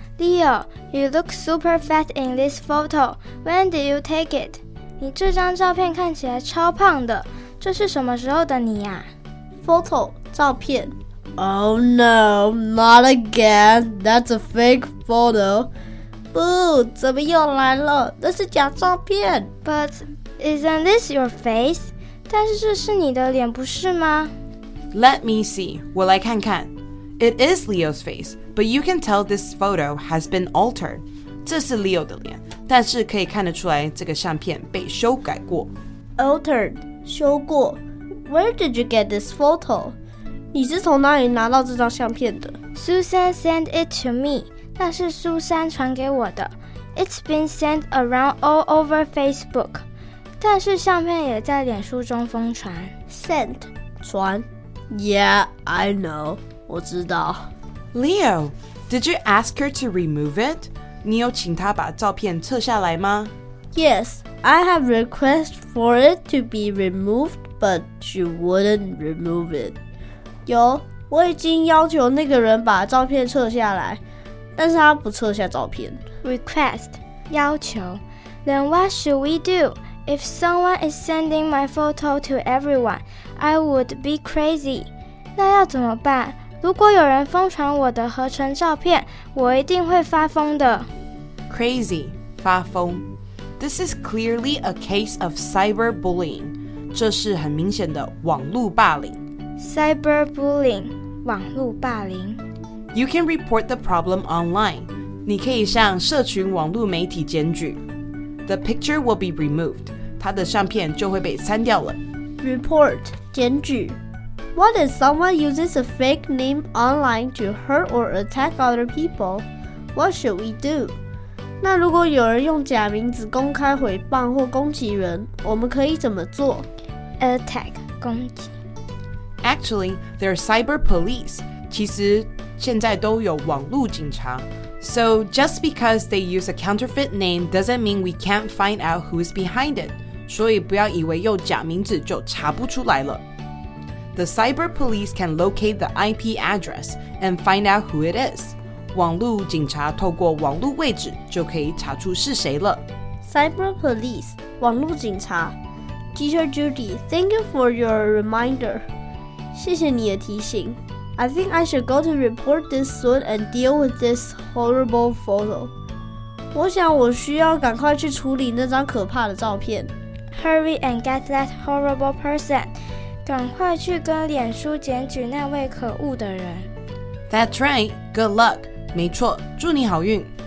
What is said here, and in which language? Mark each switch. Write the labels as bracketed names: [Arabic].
[English] Leo, you look super fat in this photo. When did you take it? [Chinese] 你这张照片看起来超胖的，这是什么时候的你啊？ Photo, 照片。 [English] Oh no, not again. That's a fake photo. [Chinese] 不，怎么又来了？那是假照片。 [English] But isn't this your face? [Chinese] 但是这是你的脸，不是吗？ [English] Let me see. [Chinese] 我来看看。 [English] It is Leo's face, but you can tell this photo has been altered. [Chinese] 这是 Leo 的脸，但是可以看得出来这个相片被修改过。 [English] Altered, 修过。Where did you get this photo? [Chinese] 你是从哪里拿到这张相片的？ [English] Susan sent it to me. [Chinese] 那是苏珊传给我的。 [English] It's been sent around all over Facebook. [Chinese] 但是相片也在脸书中疯传。 Sent, 传。 [English] Yeah, I know. [Chinese] 我知道。 [English] Leo, did you ask her to remove it? [Chinese] 你有请她把照片撤下来吗？ [English] Yes, I have request for it to be removed, but she wouldn't remove it. [Chinese] 有，我已经要求那个人把照片撤下来。但是他不撤下照片。 [English] Request, 要求。Then what should we do? If someone is sending my photo to everyone, I would be crazy. [Chinese] 那要怎么办？如果有人疯传我的合成照片，我一定会发疯的。 [English] Crazy, 发疯。This is clearly a case of cyberbullying. [Chinese] 这是很明显的网路霸凌。 Cyberbullying, 网路霸凌。 [English] You can report the problem online. [Chinese] 你可以向社群网络媒体检举。 [English] The picture will be removed. [Chinese] 他的相片就会被删掉了。 Report, 检举。 [English] What if someone uses a fake name online to hurt or attack other people? What should we do? [Chinese] 那如果有人用假名字公开诽谤或攻击人，我们可以怎么做？ Attack, 攻击。 [English] Actually, there are cyber police. [Chinese] 其实现在都有网路警察。 [English] So just because they use a counterfeit name doesn't mean we can't find out who's behind it. [Chinese] 所以不要以为用假名字就查不出来了。 [English] The cyber police can locate the IP address and find out who it is. [Chinese] 网路警察透过网路位置就可以查出是谁了。 [English] Cyber police, 网路警察。Teacher Judy, thank you for your reminder. [Chinese] 谢谢你的提醒。 [English] I think I should go to report this soon and deal with this horrible photo. [Chinese] 我想我需要赶快去处理那张可怕的照片。 [English] Hurry and get that horrible person. [Chinese] 赶快去跟脸书检举那位可恶的人。 [English] That's right. Good luck. [Chinese] 没错，祝你好运。